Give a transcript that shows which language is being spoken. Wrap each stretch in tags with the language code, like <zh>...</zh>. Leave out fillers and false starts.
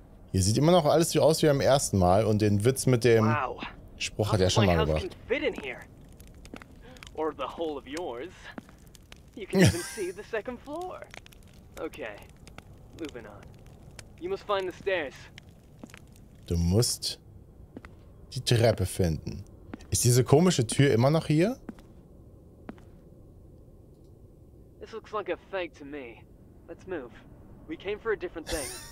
<de>Hier sieht immer noch alles so aus wie beim ersten Mal und den Witz mit dem wow. Spruch hat er schon mal gebracht.</de> <en>Fit in here. Or the whole of yours. You can even see the second floor. Okay. Moving on. You must find the stairs.</en> <de>Du musst die Treppe finden. Ist diese komische Tür immer noch hier?</de> <en>This looks like a fake to me. Let's move. We came for a different thing.</en>